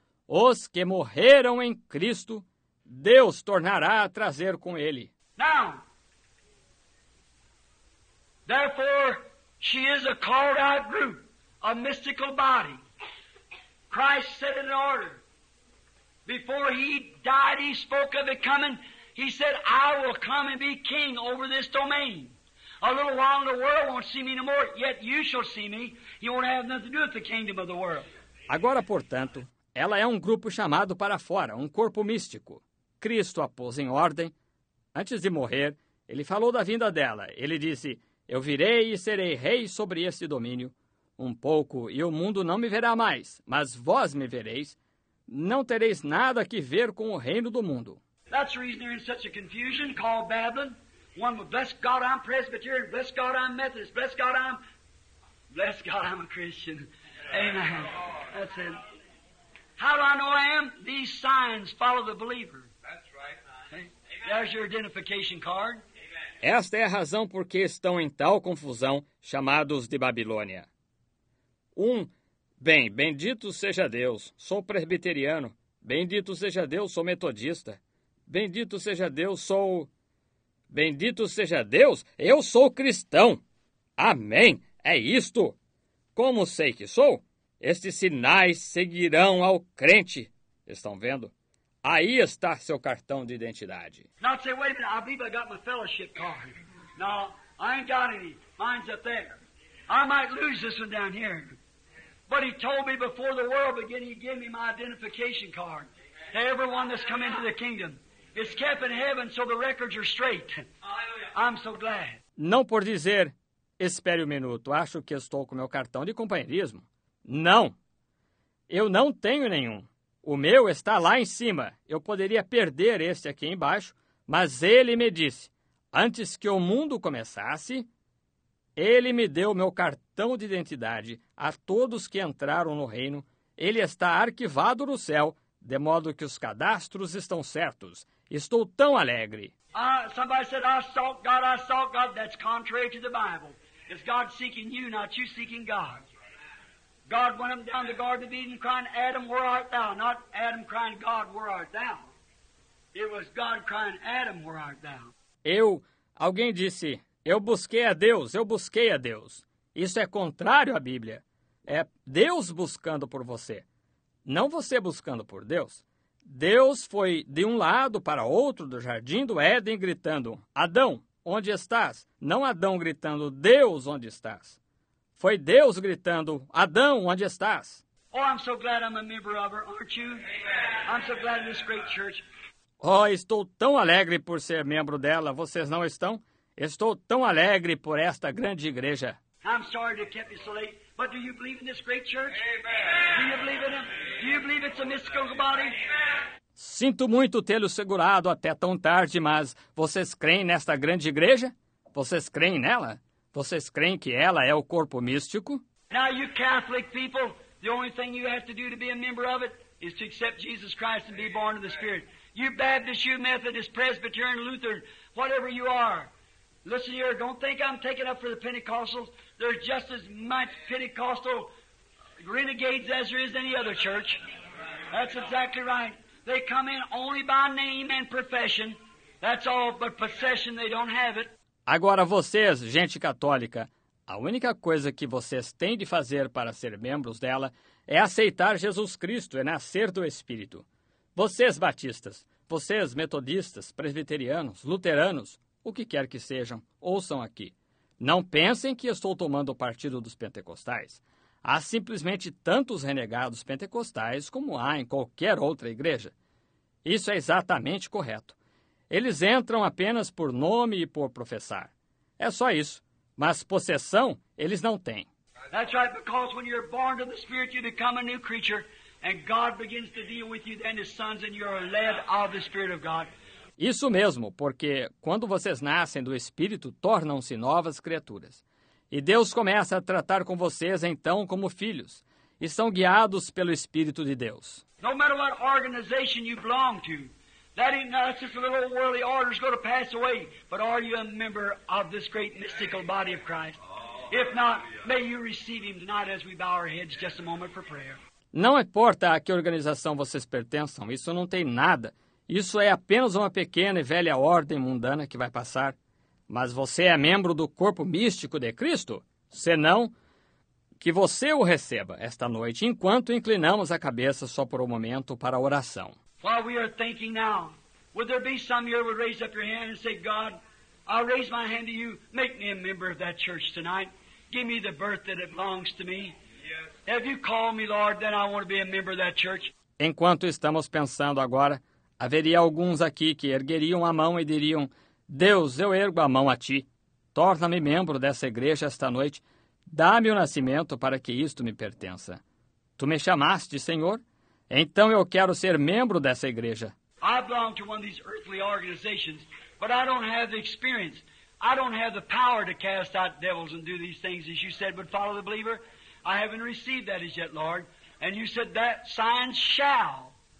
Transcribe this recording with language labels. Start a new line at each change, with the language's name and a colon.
Portuguese: Os que morreram em Cristo, Deus tornará a trazer com ele.
English: Now, therefore, she is a called out group, a mystical body. Christ set it in order. Before he died, he spoke of it coming. He said, "I will come and be king over this domain. A little while and the world won't see me no more, yet you shall see me." You won't have nothing to do with the kingdom of the world.
Portuguese: Agora, portanto, ela é um grupo chamado para fora, um corpo místico. Cristo a pôs em ordem. Antes de morrer, ele falou da vinda dela. Ele disse: "Eu virei e serei rei sobre este domínio. Um pouco, e o mundo não me verá mais, mas vós me vereis. Não tereis nada que ver com o reino do mundo.
English: That's the reason they're in such a confusion called Babylon. One would bless God, I'm Presbyterian. Bless God, I'm Methodist. Bless God, I'm... Bless God, I'm a Christian. Amen. That's it. How do I know I am? These signs follow the believer. That's right. Okay. There's your identification card. Amen.
Portuguese: Esta é a razão por que estão em tal confusão chamados de Babilônia. Bem, bendito seja Deus, sou presbiteriano. Bendito seja Deus, sou metodista. Bendito seja Deus, sou... Bendito seja Deus, eu sou cristão. Amém, é isto. Como sei que sou? Estes sinais seguirão ao crente. Estão vendo? Aí está seu cartão de identidade.
English: Now, say, wait a minute, I believe I got my fellowship card. No, I ain't got any. Mine's up there. I might lose this one down here. But he told me before the world began, he gave me my identification card. To everyone that's come into the kingdom. It's kept in heaven, so the records are straight. I'm so glad.
Portuguese: Não por dizer, espere um minuto, acho que estou com meu cartão de companheirismo. Não. Eu não tenho nenhum. O meu está lá em cima. Eu poderia perder este aqui embaixo, mas ele me disse, antes que o mundo começasse... Ele me deu meu cartão de identidade a todos que entraram no reino. Ele está arquivado no céu, de modo que os cadastros estão certos. Estou tão alegre.
English: Somebody said, I sought God, I sought God. That's contrary to the Bible. It's God seeking you, not you seeking God. God went up down the Garden of Eden crying, Adam, where art thou? Not Adam crying, God, where art thou? It was God crying, Adam, where art thou?
Portuguese: Alguém disse... Eu busquei a Deus, eu busquei a Deus. Isso é contrário à Bíblia. É Deus buscando por você. Não você buscando por Deus. Deus foi de um lado para outro do jardim do Éden gritando, Adão, onde estás? Não Adão gritando, Deus, onde estás? Foi Deus gritando, Adão, onde estás?
English: Oh, I'm so glad I'm a member of her, aren't you? I'm so glad in this great church.
Portuguese: Oh, estou tão alegre por ser membro dela, vocês não estão? Estou tão alegre por esta grande igreja.
English: I'm sorry to keep you so late, but do you believe in this great church? Amen. Do you believe in him? Do you believe it's a mystical body? Amen.
Portuguese: Sinto muito tê-lo segurado até tão tarde, mas vocês creem nesta grande igreja? Vocês creem nela? Vocês creem que ela é o corpo místico?
English: Now, you Catholic people, the only thing you have to do to be a member of it is to accept Jesus Christ and be born of the Spirit. You Baptist, you Methodist, Presbyterian, Lutheran, whatever you are. Listen here, don't think I'm taking up for the Pentecostals. There's just as much Pentecostal renegades as there is any other church. That's exactly right. They come in only by name and profession. That's all, but possession, they don't have it.
Portuguese: Agora vocês, gente católica, a única coisa que vocês têm de fazer para ser membros dela é aceitar Jesus Cristo, é nascer do Espírito. Vocês, batistas, vocês, metodistas, presbiterianos, luteranos, o que quer que sejam, ouçam aqui. Não pensem que estou tomando partido dos pentecostais. Há simplesmente tantos renegados pentecostais como há em qualquer outra igreja. Isso é exatamente correto. Eles entram apenas por nome e por professar. É só isso. Mas possessão, eles não têm.
English: That's right, because when you're born of the Spirit, you become a new creature, and God begins to deal with you then as sons, and you're led of the Spirit of God.
Portuguese: Isso mesmo, porque quando vocês nascem do Espírito, tornam-se novas criaturas. E Deus começa a tratar com vocês, então, como filhos, e são guiados pelo Espírito de Deus.
English: No matter what organization you belong to, that ain't not just a little worldly order is going to pass away, but are you a member of this great mystical body of Christ? If not, may you receive him tonight as we bow our heads just a moment for prayer.
Portuguese: Não importa a que organização vocês pertençam, isso não tem nada. Isso é apenas uma pequena e velha ordem mundana que vai passar. Mas você é membro do corpo místico de Cristo? Senão, que você o receba esta noite, enquanto inclinamos a cabeça só por um momento para a oração.
English: While we are thinking now, would there be some here who would raise up your hand and say, God, I'll raise my hand to you, make me a member of that church tonight. Give me the birth that it belongs to me. Yes. If you call me, Lord, then I want to be a member of that church.
Portuguese: Enquanto estamos pensando agora, haveria alguns aqui que ergueriam a mão e diriam, Deus, eu ergo a mão a ti. Torna-me membro dessa igreja esta noite. Dá-me o nascimento para que isto me pertença. Tu me chamaste, Senhor? Então eu quero ser membro dessa igreja.
English: I belong to one of these earthly organizations, but I don't have the experience. I don't have the power to cast out devils and do these things as you said would follow the believer. I haven't received that as yet, Lord. And you said that sign shall.